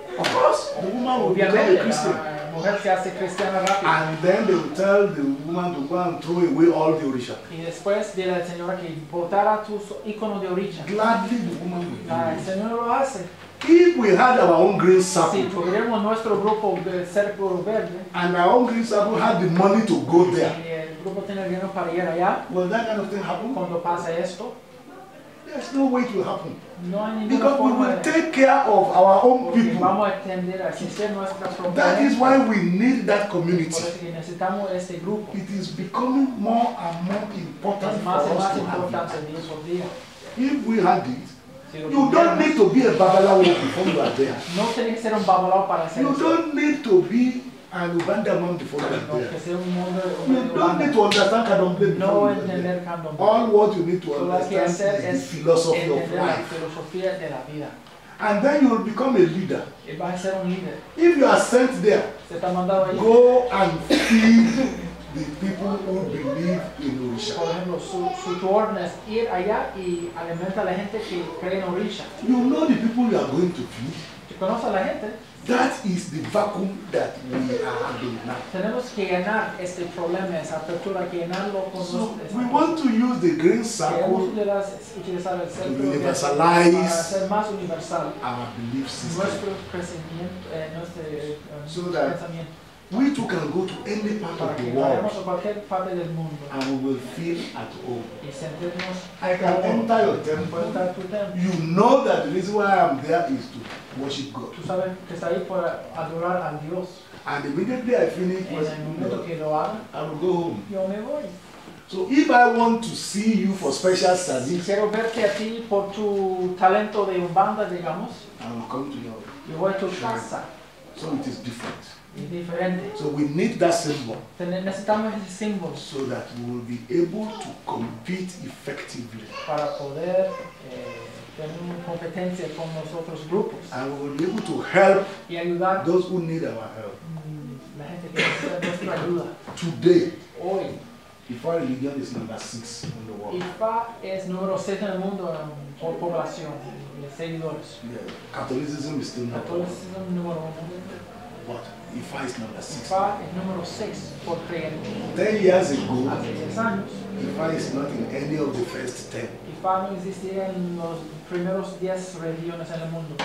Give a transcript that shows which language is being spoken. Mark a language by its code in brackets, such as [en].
[en] Of course, the woman will become a Christian. [es] La mujer se hace cristiana rápido. [en] And then they will tell the woman to go and throw away all the orisha. [es] Y después dile a la señora que botara tus iconos de orisha. [en] Gladly the woman will do [es] it. El señor lo hace. [en] If we had our own green circle, [es] si tuviéramos nuestro grupo de cerco verde, [en] and our own green circle had the money to go there, [es] el grupo tiene el dinero para ir allá, [en] will that kind of thing happen? [es] Cuando pasa esto, [en] there's no way it will happen. [es] No hay ninguna [en] because [es] forma [en] we will take care of our own people. [es] Vamos a atender a crecer nuestra propia. [en] That is why we need that community. [es] Porque necesitamos este grupo. [en] It is becoming more and more important [es] más [en] for [es] más [en] to [es] importante [en] have [es] por día. [en] If we had it. You don't need to be a babalawo before you are there. [es] No tiene que ser un babalawo para ser. [en] You don't need to be an Ubanda monk before you are there. [es] No que sea un monje. [en] You don't need to understand Kandombe. [es] No entender Kandombe. [en] All what you need to understand is the philosophy of life. [es] Filosofía de la vida. [en] And then you will become a leader. [es] Y va a ser un líder. [en] If you are sent there, [es] se te ha mandado ahí. [en] Go and feed the people who believe in Orisha. [es] Por ejemplo, su orden es ir allá y alimentar a la gente que cree en Orisha. [en] You know the people you are going to feed. [es] ¿Te conoces a la gente? [en] That is the vacuum that we are having now. [es] Tenemos que llenar este problema, esa apertura, que llenarlo con [en] so [es] nosotros. [en] We want to use the green circle to universalize [es] para más universal [en] our belief system. [es] Nuestro crecimiento, nuestro pensamiento. [en] We too can go to any part of the world [es] mundo, [en] and we will feel at home. [es] Y sentirnos, [en] I can enter your temple. [es] Entrar tu templo. [en] You know that the reason why I am there is to worship God. [es] Tú sabes que está ahí para adorar a Dios. [en] And immediately I finish worshiping God, I will go home. [es] Yo me voy. [en] So if I want to see you for special service, [es] quiero verte a ti por tu talento de Umbanda, digamos, [en] I will come to your [es] yo voy a tu casa. [en] So it is different. [es] Diferente. [en] So we need that symbol. [es] Necesitamos ese símbolo. [en] So that we will be able to compete effectively. [es] Para poder tener una competencia con los otros grupos. [en] And we will be able to help [es] y ayudar [en] those who need our help. [es] La gente que necesita nuestra ayuda. [en] Today. [es] Hoy. [en] IFA religion is number 6 in the world. [es] IFA es número 6 en el mundo por población de seguidores. [en] Yeah. Catholicism is still number [es] 1. Catholicism número 1. [en] But IFA is number 6. [es] IFA es número 6 por creyente. [en] 10 years ago, [es] hace 10 años, [en] IFA is not in any of the first 10. [es] IFA no existía en los primeros 10 religiones en el mundo.